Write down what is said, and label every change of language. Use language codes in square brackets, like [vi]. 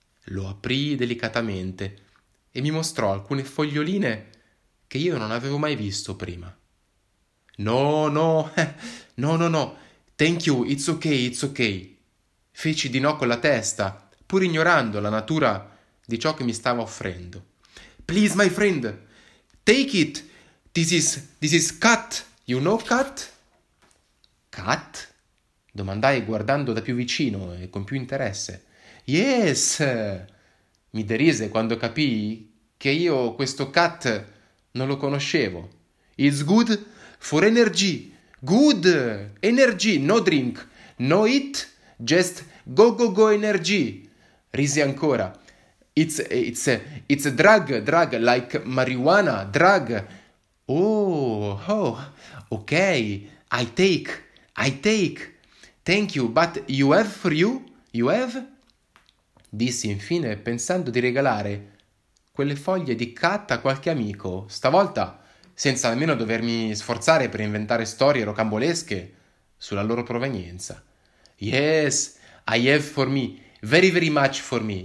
[it] Lo aprì delicatamente e mi mostrò alcune foglioline che io non avevo mai visto prima. [en] «No, no, no, no, no, thank you, it's okay», [it] feci di no con la testa, pur ignorando la natura di ciò che mi stava offrendo. [en] «Please, my friend, take it, this is cut, you know cut?» «Cut?» [it] domandai guardando da più vicino e con più interesse. [en] «Yes!» [it] mi derise quando capii che io questo cut non lo conoscevo. [en] «It's good for energy, good energy, no drink, no eat, just go go go energy!» [it] Risi ancora. [en] It's a drug like marijuana, drug!» Okay, I take, thank you, but you have for you? You have?» [it] dissi infine pensando di regalare quelle foglie di carta a qualche amico. Stavolta, senza nemmeno dovermi sforzare per inventare storie rocambolesche sulla loro provenienza. [en] Yes, I have for me, very, very much for me.